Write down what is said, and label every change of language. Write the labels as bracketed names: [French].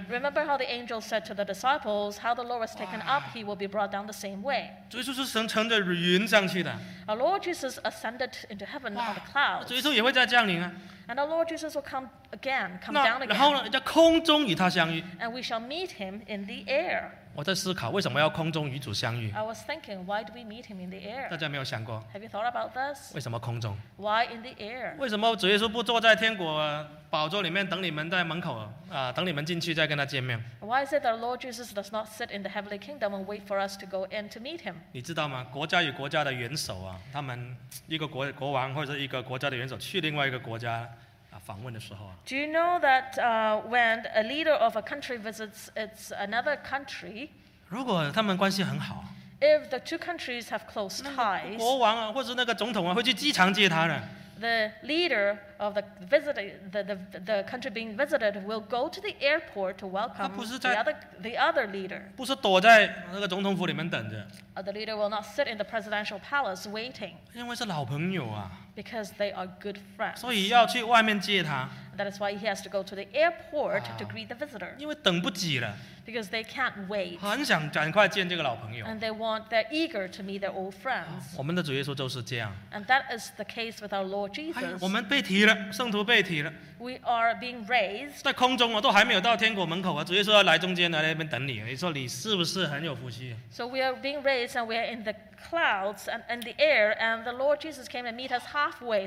[English] Remember how the angel said to the disciples, how the Lord was taken up, he will be brought down the same way. [Chinese] 主耶稣是乘着云上去的。 [English] Our Lord Jesus ascended into heaven on the clouds. [Chinese] 主耶稣也会再降临啊。 [English] And our Lord Jesus will come down again. [Chinese] 然后呢，在空中与他相遇。 [English] And we shall meet him in the air. [Chinese] 我在思考为什么要空中与主相遇。 [English] I was thinking, why do we meet him in the air? [Chinese] 大家没有想过? [English] Have you thought about this? [Chinese] 为什么空中? [English] Why in the air? [Chinese] 为什么主耶稣不坐在天国宝座里面等你们在门口等你们进去再跟他见面? [English] Why is it that Lord Jesus does not sit in the heavenly kingdom and wait for us to go in to meet him? [Chinese] 你知道吗? 国家与国家的元首啊, 他们一个国王或者一个国家的元首去另外一个国家, [English] Do you know that when a leader of a country visits its another country, [Chinese] 如果他们关系很好, [English] if the two countries have close ties, [Chinese] 国王啊,或者那个总统啊,会去机场接他的, [English] the leader of the visiting the country being visited will go to the airport to welcome the other leader. [Chinese] 不是躲在那个总统府里面等着, [English] the leader will not sit in the presidential palace waiting. [Chinese] 因为是老朋友啊。 [English] Because they are good friends. [Chinese] 所以要去外面接他, [English] that is why he has to go to the airport to greet the visitor. [Chinese] 因为等不及了, [English] because they can't wait. [Chinese] 很想赶快见这个老朋友, [English] and they're eager to meet their old friends. [Chinese] 我们的主耶稣就是这样, [English] and that is the case with our Lord Jesus. [Chinese] 我们被提了, 圣徒被提了, [English] we are being raised. [Chinese] 在空中啊, 都还没有到天国门口啊, 主耶稣要来中间来, 在那边等你, 你说你是不是很有福气? [English] So we are being raised and we are in the clouds and in the air, and the Lord Jesus came and meet us halfway.